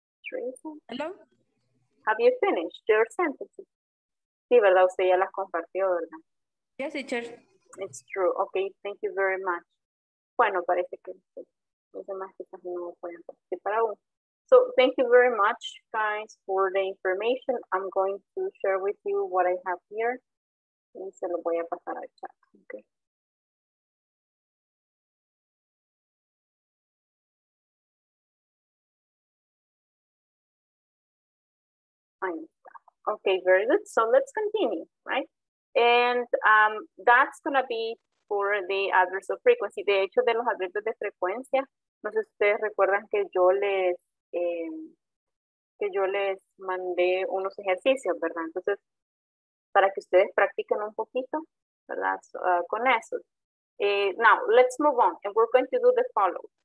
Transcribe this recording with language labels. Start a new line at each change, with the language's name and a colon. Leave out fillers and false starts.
English: Teresa? Hello? Have you finished your sentences?
Spanish: Sí, ¿verdad? Usted ya las compartió, ¿verdad?
English: Yes, teacher. It's true. Okay, thank you very much.
Spanish: Bueno, parece que los demás chicas no pueden participar aún.
English: So, thank you very much, guys, for the information. I'm going to share with you what I have here.
Spanish: Y se lo voy a pasar al chat, okay.
English: Okay, very good. So, let's continue, right? And that's going to be for the adverbs of frequency.
Spanish: De hecho, de los adverbios de frecuencia, no sé si ustedes recuerdan que yo les mandé unos ejercicios, ¿verdad? Entonces, para que ustedes practiquen un poquito, ¿verdad? Con eso.
English: Now, let's move on. And we're going to do the following.